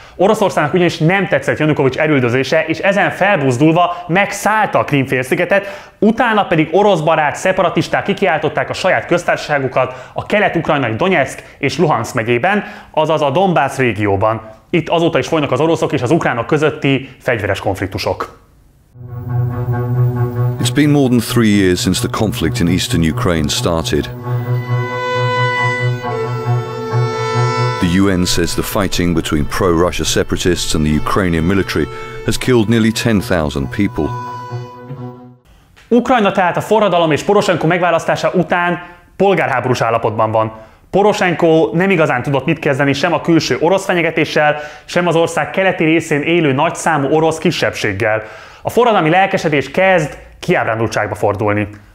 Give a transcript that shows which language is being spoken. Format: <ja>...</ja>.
<hu>Oroszországnak ugyanis nem tetszett Janukovics erüldözése, és ezen felbuzdulva megszállta a Krím-félszigetet, utána pedig orosz barát szeparatisták kikiáltották a saját köztársaságukat a kelet-ukrajnai Donyeck és Luhansk megyében, azaz a Donbász régióban. Itt azóta is folynak az oroszok és az ukránok közötti fegyveres konfliktusok.</hu> <en>It's been more than 3 years since the conflict in eastern Ukraine started. The UN says the fighting between pro-Russia separatists and the Ukrainian military has killed nearly 10,000 people.</en> <hu>Ukrajna tehát a forradalom és Poroshenko megválasztása után polgárháborús állapotban van. Poroshenko nem igazán tudott mit kezdeni sem a külső orosz fenyegetéssel, sem az ország keleti részén élő nagyszámú orosz kisebbséggel. A forradalmi lelkesedés kezd kiábrándultságba fordulni.</hu>